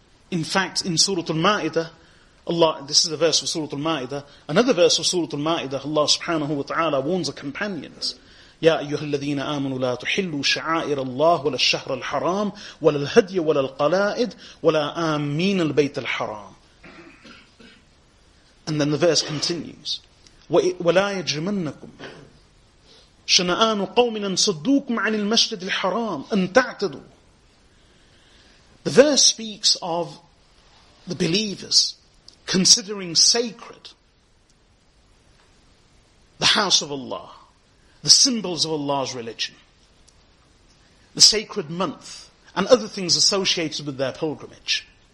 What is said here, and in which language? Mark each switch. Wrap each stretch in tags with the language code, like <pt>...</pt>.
<en>In fact, in Surah Al-Ma'idah, Allah, this is a verse of Surah Al-Ma'idah, another verse of Surah Al-Ma'idah, Allah subhanahu wa ta'ala warns the companions,</en> <ar>يَا أَيُّهَا الَّذِينَ آمَنُوا لَا تُحِلُّوا شَعَائِرَ اللَّهُ وَلَا الشَّهْرَ الْحَرَامِ وَلَا الْهَدْيَ وَلَا الْقَلَائِدِ وَلَا آمِينَ الْبَيْتَ الْحَرَامِ.</ar> <en>And then the verse continues,</en> <ar>وَلَا يَجْرِمَنَّكُمْ شَنَآنُ قَوْمٍ أَن صَدُّوكُمْ عَنِ الْمَسْجِدِ الْحَرَامِ أَن تَعْتَدُوا.</ar> <en>The verse speaks of the believers considering sacred the house of Allah, the symbols of Allah's religion, the sacred month, and other things associated with their pilgrimage.</en>